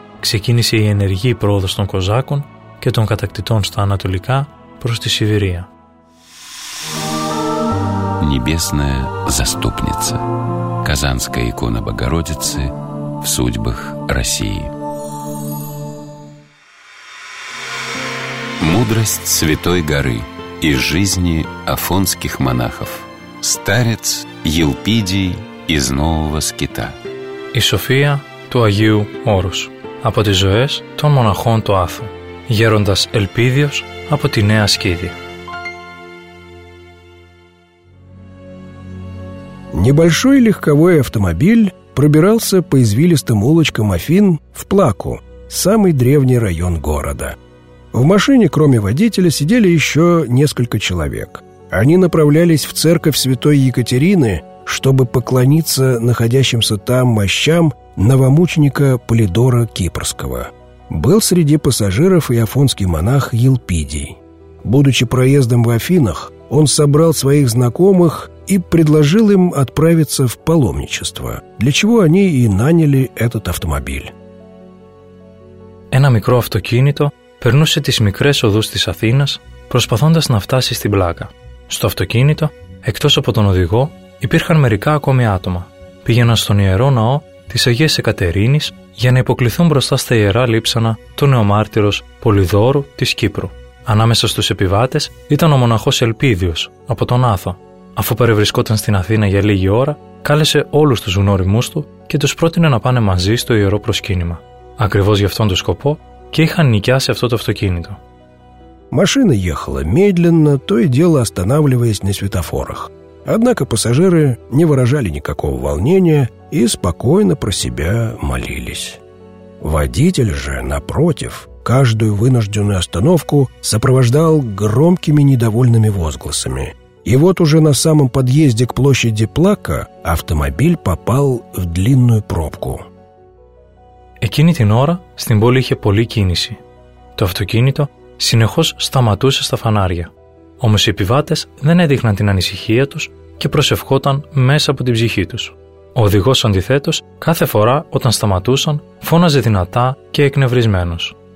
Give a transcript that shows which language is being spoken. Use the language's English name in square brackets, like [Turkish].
[Greek] ξεκίνησε η ενεργή πρόοδος των Κοζάκων και των κατακτητών στα ανατολικά προς τη Σιβηρία. [Russian] Небесная заступница. Казанская икона Богородицы в судьбах России. Мудрость Святой Горы из жизни афонских монахов. Старец Елпидий из Нового Скита. [Greek] И София του Αγίου Όρους από τις ζωές των μοναχών του Άθου, γέροντας Ελπίδιος από τη Νέα Σκήδη. [Russian] Небольшой легковой автомобиль пробирался по извилистым улочкам Афин в Плаку, самый древний район города. В машине, кроме водителя, сидели еще несколько человек. Они направлялись в церковь Святой Екатерины, чтобы поклониться находящимся там мощам новомученика Полидора Кипрского. Был среди пассажиров и афонский монах Елпидий. Будучи проездом в Афинах, он собрал своих знакомых и предложил им отправиться в паломничество, для чего они и наняли этот автомобиль. [Greek] Ένα μικρό αυτοκίνητο περνούσε τις μικρές οδούς της Αθήνας, προσπαθώντας να φτάσει στην Πλάκα. Στο αυτοκίνητο, εκτός από τον οδηγό, υπήρχαν μερικά ακόμη άτομα. Πήγαιναν στον Ιερό Ναό της Αγίας Εκατερίνης για να υποκληθούν μπροστά στα Ιερά Λείψανα του νεομάρτυρος Πολυδόρου της Κύπρου. Ανάμεσα στους επιβάτες ήταν ο μοναχός Ελπίδιος από τον Άθο. Αφού παρευρισκόταν στην Αθήνα για λίγη ώρα, κάλεσε όλους τους γνώριμούς του και τους πρότεινε να πάνε μαζί στο Ιερό Προσκύνημα. Ακριβώς για αυτόν τον σκοπό και είχαν νοικιάσει αυτό το αυτοκίνητο. [Russian] Машина ехала медленно, то и дело останавливаясь на светофорах. Однако пассажиры не выражали никакого волнения и спокойно про себя молились. Водитель же, напротив, каждую вынужденную остановку сопровождал громкими недовольными возгласами. И вот уже на самом подъезде к площади Плака автомобиль попал в длинную пробку. [Greek] Εκείνη την ώρα στην πόλη είχε πολλή κίνηση. Το αυτοκίνητο συνεχώς σταματούσε στα φανάρια. Όμως οι επιβάτες δεν έδειχναν την ανησυχία τους και προσευχόταν μέσα από την ψυχή τους. Ο οδηγός αντιθέτως, κάθε φορά όταν σταματούσαν, φώναζε δυνατά και εκνευρισμένος.